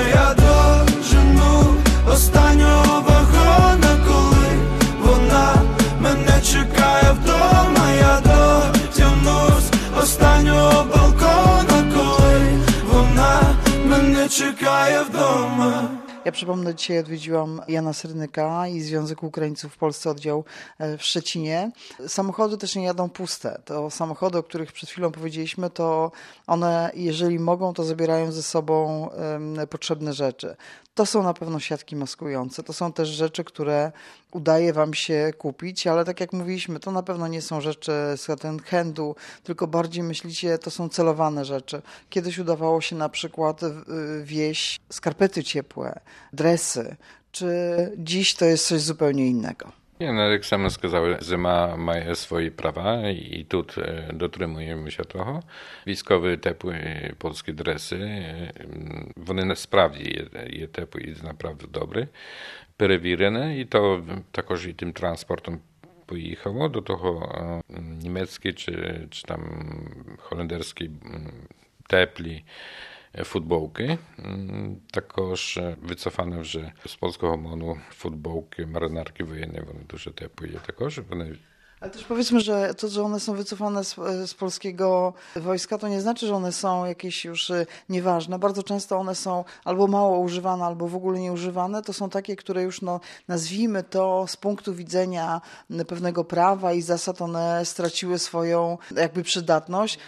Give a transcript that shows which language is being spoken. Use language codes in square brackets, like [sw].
[uk] Я дожену останнього вагона, коли вона мене чекає вдома. Я дотягнусь останнього балкона, коли вона мене чекає вдома. [pl] Ja przypomnę, dzisiaj odwiedziłam Jana Syrnyka i Związek Ukraińców w Polsce oddział w Szczecinie. Samochody też nie jadą puste. To samochody, o których przed chwilą powiedzieliśmy, to one, jeżeli mogą, to zabierają ze sobą potrzebne rzeczy. To są na pewno siatki maskujące, to są też rzeczy, które udaje wam się kupić, ale tak jak mówiliśmy, to na pewno nie są rzeczy z handlu, tylko bardziej myślicie, to są celowane rzeczy. Kiedyś udawało się na przykład wieść skarpety ciepłe, dresy, czy dziś to jest coś zupełnie innego? Nie, no jak sam [uk] сказав, зима має свої права і тут дотримуємося того. Військові теплі польські дреси, вони насправді є теплі і насправді добрі, перевірені, і то також і тим транспортом поїхало до того німецькі чи там холендерські теплі футболки, також вицофане вже з польського ОМОНу футболки, маринарки воєнні, вони дуже теплі є також, вони [pl] Ale też powiedzmy, że to, że one są wycofane z polskiego wojska, to nie znaczy, że one są jakieś już nieważne. Bardzo często one są albo mało używane, albo w ogóle nie używane. To są takie, które już, no, nazwijmy to, z punktu widzenia pewnego prawa i zasad, one straciły swoją jakby przydatność.